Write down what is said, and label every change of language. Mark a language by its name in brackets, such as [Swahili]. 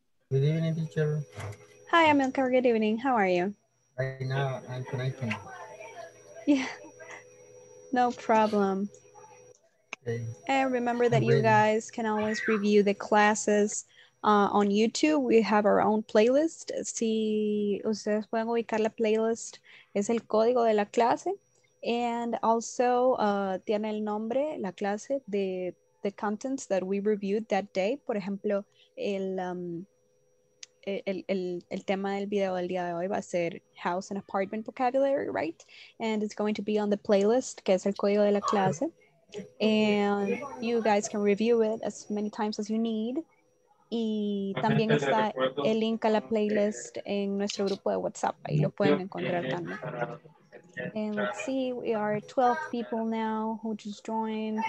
[English] Good evening, teacher. Hi, Amilcar, good evening. How are you? Right now, I'm connecting. Yeah, no problem. Okay. And remember that you guys can always review the classes on YouTube. We have our own playlist. [Spanish] Si ustedes pueden ubicar la playlist, es el código de la clase. [English] And also, [Spanish] tiene el nombre, la clase, [English] the contents that we reviewed that day. [Spanish] Por ejemplo, el tema del video del día de hoy va a ser [English] house and apartment vocabulary, right? And it's going to be on the playlist, [Spanish] que es el código de la clase. [English] And you guys can review it as many times as you need. [Spanish] Y también está el link a la playlist en nuestro grupo de WhatsApp. Ahí lo pueden encontrar también. [English] And let's see, we are 12 people now who just joined.